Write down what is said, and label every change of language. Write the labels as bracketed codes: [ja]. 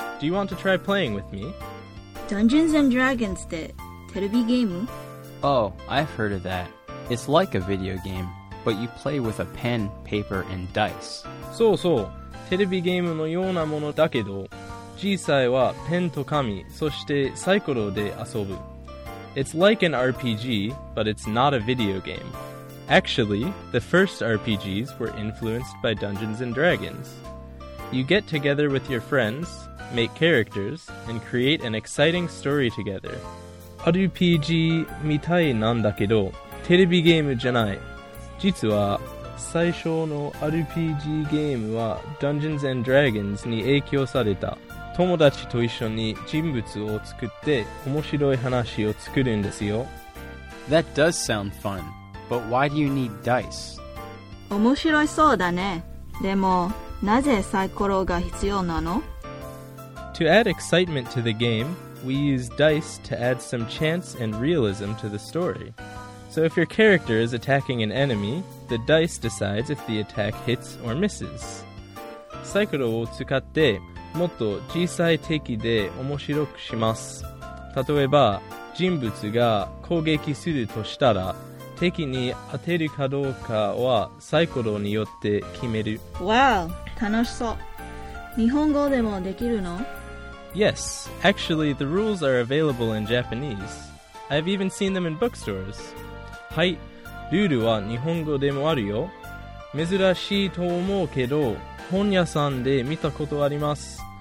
[en] Do you want to try playing with me? [ja] Dungeons and Dragons ってテレビゲーム? [en] Oh, I've heard of that. It's like a video game, but you play with a pen, paper, and dice. [ja] そうそう、テレビゲームのようなものだけど、実際はペンと紙、そしてサイコロで遊ぶ。 [en] It's like an RPG, but it's not a video game. Actually, the first RPGs were influenced by Dungeons and Dragons. You get together with your friends... make characters, and create an exciting story together. [ja] RPG みたいなんだけど、テレビゲームじゃない。実は、最初の RPG ゲームは Dungeons and Dragons に影響された。友達と一緒に人物を作って面白い話を作るんですよ。 [en] That does sound fun, but why do you need dice? [ja] 面白いそうだね。でも、なぜサイコロが必要なの? [en] To add excitement to the game, we use dice to add some chance and realism to the story. So if your character is attacking an enemy, the dice decides if the attack hits or misses. [ja] サイコロを使ってもっと小さい敵で面白くします。例えば、人物が攻撃するとしたら、敵に当てるかどうかはサイコロによって決める。 [en] Wow, [ja] 楽しそう。日本語でもできるの? [en] Yes, actually the rules are available in Japanese. I've even seen them in bookstores. はい、 [ja] ルールは日本語でもあるよ。珍しいと思うけど、本屋さんで見たことあります。